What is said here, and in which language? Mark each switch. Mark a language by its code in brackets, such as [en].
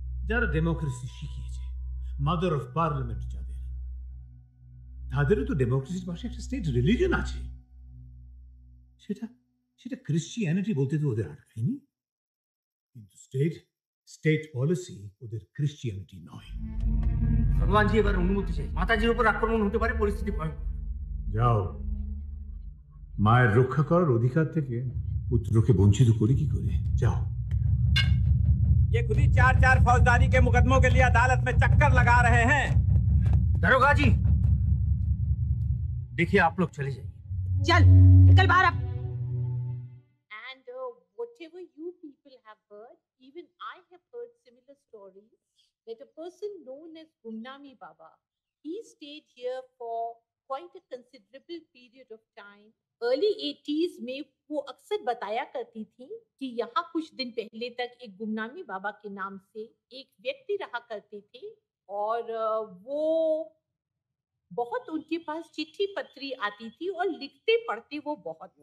[bn] যারা ডেমোক্রেসি শিখিয়েছে mother of parliament যাদের তাদেরও তো ডেমোক্রেসির পাশে একটা স্টেট রিলিজন আছে সেটা সেটা ক্রিশ্চিয়ানিটি বলতে তো ওদের আটকায়নি কিন্তু স্টেট State policy ওদের Christianity নয়। ভগবান জি এবার অনুমতি চাই। মাতাজির উপর আক্রমণ হতে পারে পরিস্থিতি ভয়ঙ্কর। যাও। মায়ের রক্ষা করার অধিকার থেকে পুত্রকে বঞ্চিত করে কি করে? যাও। [hi] ये खुद ही चार चार फौजदारी के मुकदमों के लिए अदालत में चक्कर लगा रहे हैं दरोगा जी देखिए आप लोग चले जाइए चल निकल बाहर अब [en] And whatever you people have heard Even I have heard similar stories that a person known as Gumnami Baba, he stayed here for quite a considerable period of time. [hi] Early 80s में वो अक्सर बताया करती थी कि यहाँ कुछ दिन पहले तक एक गुमनामी बाबा के नाम से एक व्यक्ति रहा करते थे और वो बहुत उनके पास चिट्ठी पत्री आती थी और लिखते पढ़ते वो बहुत